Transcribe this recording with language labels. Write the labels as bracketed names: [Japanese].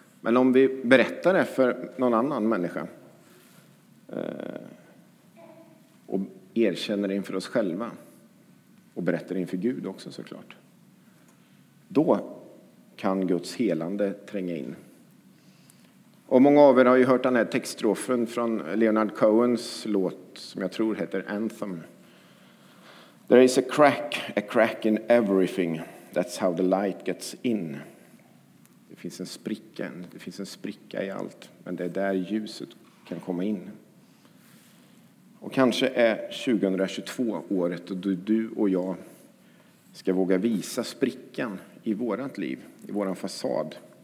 [Swedish] Men om vi berättar det för någon annan människa och erkänner det inför oss själva och berättar det inför Gud också såklart, då kan Guds helande tränga in. Och många av er har ju hört den här textstrofen från Leonard Cohens låt som jag tror heter Anthem. [English] There is a crack in everything. That's how the light gets in. [Swedish] Det finns en spricka, det finns en spricka i allt. Men det är där ljuset kan komma in. Och kanske är 2022 året då du och jag ska våga visa sprickan i vårat liv, i våran fasad.